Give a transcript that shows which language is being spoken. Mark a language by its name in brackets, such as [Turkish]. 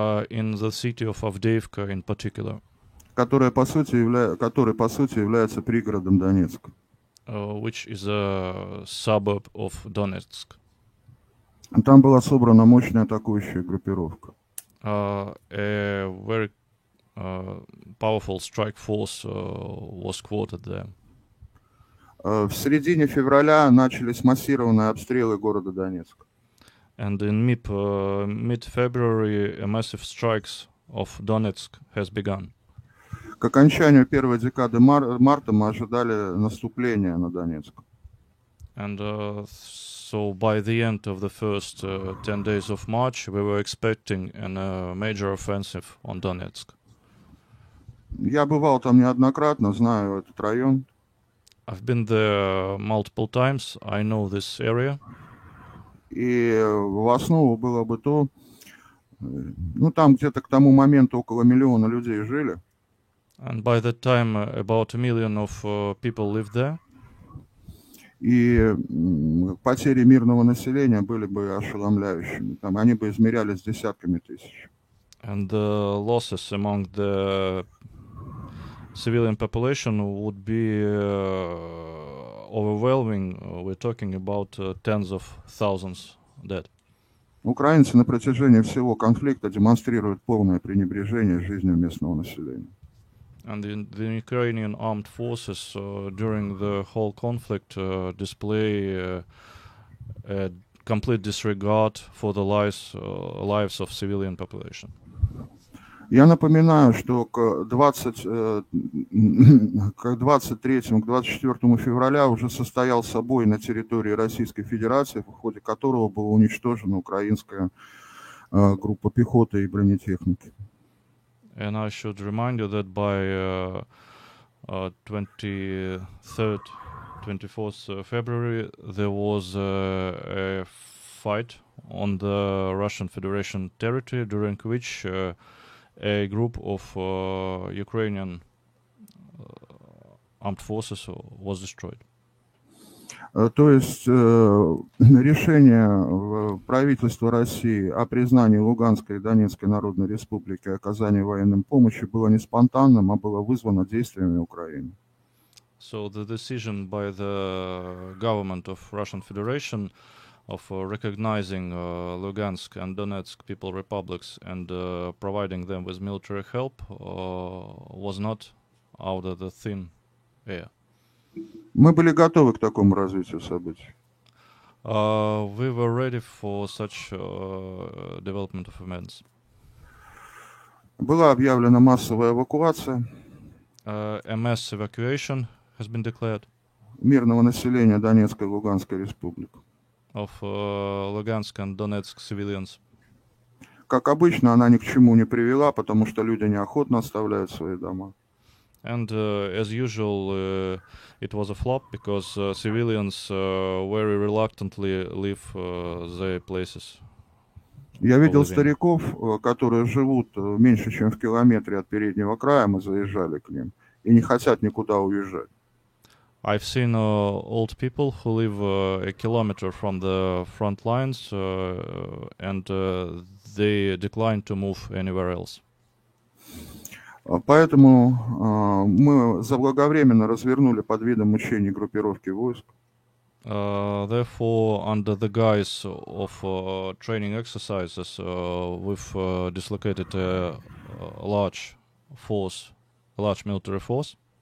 [English] In the city of Avdiivka in particular. [Russian] Который, по сути, является пригородом Донецка. [English] Which is a suburb of Donetsk. [Russian] Там была собрана мощная атакующая группировка. [English] A very powerful strike force was quartered there. [Russian] В середине февраля начались массированные обстрелы города Донецк. [English] And in mid-February, a massive strikes of Donetsk has begun. [Russian] К окончанию первой декады марта мы ожидали наступления на Донецк. [English] And so by the end of the first 10 days of March, we were expecting a major offensive on Donetsk. [Russian] Я бывал там неоднократно, знаю этот район. [English] I've been there multiple times. I know this area. [Russian] И в основу было бы то, ну там где-то к тому моменту около миллиона людей жили. [English] And by that time about a million of people lived there. [Russian] И потери мирного населения были бы ошеломляющими. Там они бы измерялись десятками тысяч. [English] And the losses among the civilian population would be overwhelming. We're talking about tens of thousands dead. [Russian] Украинцы на протяжении всего конфликта демонстрируют полное пренебрежение жизнью местного населения. [English] And the Ukrainian armed forces during the whole conflict display a complete disregard for the lives of civilian population. [Russian] Я напоминаю, что к 24 февраля уже состоялся бой на территории Российской Федерации, в ходе которого была уничтожена украинская группа пехоты и бронетехники. [English] And I should remind you that by 24th February there was a fight on the Russian Federation territory during which a group of Ukrainian armed forces was destroyed. [Russian] То есть решение правительства России о признании Луганской и Донецкой Народной Республики и оказании военной помощи было не спонтанным, а было вызвано действиями Украины. [English] So the decision by the government of Russian Federation of recognizing Lugansk and Donetsk People Republics and providing them with military help was not out of the thin air. [Russian] Мы были готовы к такому развитию событий. [English] We were ready for such development of events. [Russian] Была объявлена массовая эвакуация. [English] A mass evacuation has been declared. [Russian] Мирного населения Донецкой и Луганской республик. [English] Of Lugansk and Donetsk civilians. [Russian] Как обычно, она ни к чему не привела, потому что люди неохотно оставляют свои дома. [English] And as usual, it was a flop because civilians very reluctantly leave their places. [Russian] Я видел стариков, которые живут меньше чем в километре от переднего края, мы заезжали к ним, и не хотят никуда уезжать. [English] I've seen old people who live a kilometer from the front lines, and they declined to move anywhere else. [Russian] Поэтому мы заблаговременно развернули под видом мучений группировки войск. [English] Therefore, under the guise of training exercises, we've dislocated a large force, a large military force.